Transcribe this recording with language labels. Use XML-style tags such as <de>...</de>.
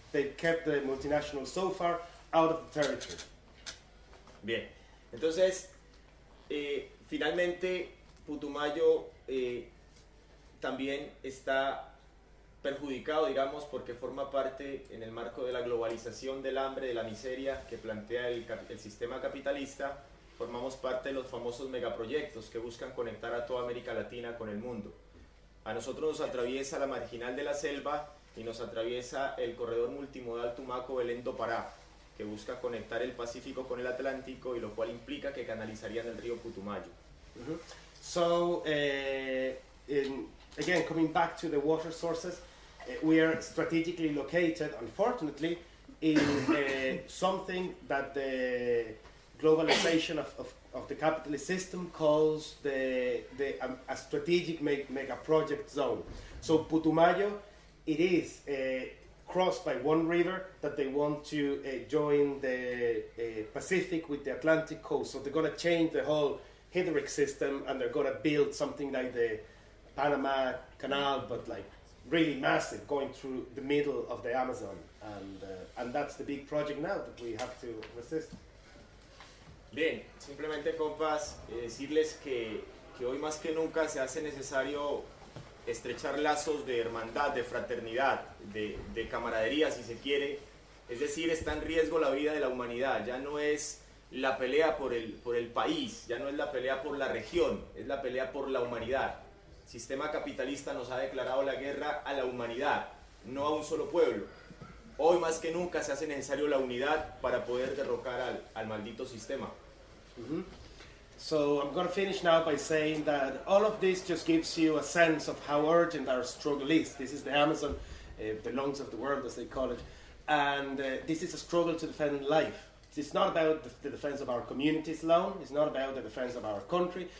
<en>They've kept the multinational so far out of the territory.</en> <es>Bien. Entonces, finalmente, Putumayo también está perjudicado, digamos, porque forma parte, en el marco de la globalización del hambre, de la miseria que plantea el sistema capitalista, formamos parte de los famosos megaproyectos que buscan conectar a toda América Latina con el mundo. A nosotros nos atraviesa la marginal de la selva y nos atraviesa el corredor multimodal Tumaco-Belén-Dopará, que busca conectar el Pacífico con el Atlántico, y lo cual implica que canalizarían el río Putumayo. Uh-huh.</es> <en>So, again, coming back to the water sources, we are strategically located, unfortunately, in something that the globalization of the capitalist system calls a strategic mega project zone. So Putumayo, it is crossed by one river that they want to join the Pacific with the Atlantic coast. So they're going to change the whole hydric system, and they're going to build something like the Panama Canal, but like really massive, going through the middle of the Amazon. And that's the big project now that we have to resist.</en> <es>Bien, simplemente, compas, decirles que hoy más que nunca se hace necesario estrechar lazos de hermandad, de fraternidad, de camaradería, si se quiere. Es decir, está en riesgo la vida de la humanidad. Ya no es la pelea por el país, ya no es la pelea por la región, es la pelea por la humanidad. El sistema capitalista nos ha declarado la guerra a la humanidad, no a un solo pueblo. Hoy más que nunca se hace necesario la unidad para poder derrocar al maldito sistema. Mm-hmm.</es> <en>So I'm going to finish now by saying that all of this just gives you a sense of how urgent our struggle is. This is the Amazon, the lungs of the world, as they call it. And this is a struggle to defend life. It's not about the defense of our communities alone. It's not about the defense of our country.</en>